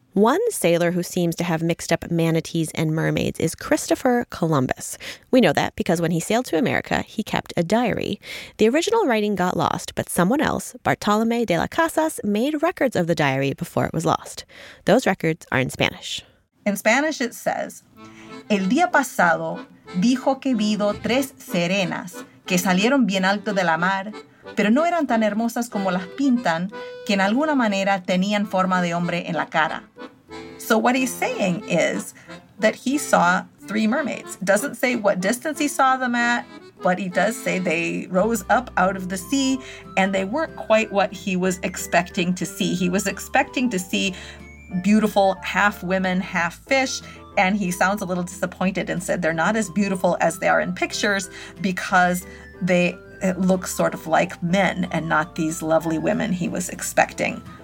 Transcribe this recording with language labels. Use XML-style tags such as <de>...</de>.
<en>One sailor who seems to have mixed up manatees and mermaids is Christopher Columbus. We know that because when he sailed to America, he kept a diary. The original writing got lost, but someone else, Bartolomé de las Casas, made records of the diary before it was lost. Those records are in Spanish. In Spanish, it says,</en> <es>El día pasado dijo que vido tres serenas que salieron bien alto de la mar, pero no eran tan hermosas como las pintan, que en alguna manera tenían forma de hombre en la cara.</es> <en>So what he's saying is that he saw three mermaids. Doesn't say what distance he saw them at, but he does say they rose up out of the sea and they weren't quite what he was expecting to see. He was expecting to see beautiful half women, half fish, and he sounds a little disappointed and said they're not as beautiful as they are in pictures because they it looks sort of like men and not these lovely women he was expecting.</en>